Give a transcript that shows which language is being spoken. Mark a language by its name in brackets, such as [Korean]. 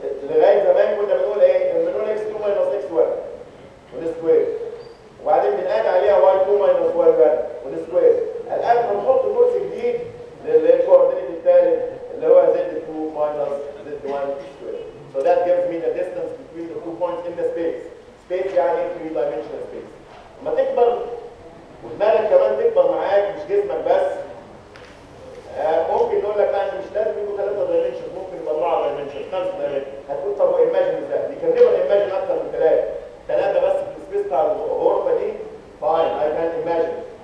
[Arabic] لغايه زمان كنا بنقول ايه؟ بنقول اكس 2 ماينس اكس 1 والسكوير وبعدين بنقعد عليها واي 2 ماينس واي 1 والسكوير الان بنحط جزء جديد للكوردينيت الثالث اللي هو زد 2 ماينس زد 1 سكوير [English] So that gives me the distance between the two points in the space. Space يعني three dimensional space. [Arabic] لما تكبر ودماغك كمان تكبر معاك مش جسمك بس ممكن نقول لك انا مش لازم يكون ثلاثة dimensions ممكن يبقى أربعة dimensions خمسة dimensions هتقول طب imagine ده يكلمنا imagine أكثر من ثلاثة ثلاثة بس في السبيس بتاع الغرفة دي [English] fine I can imagine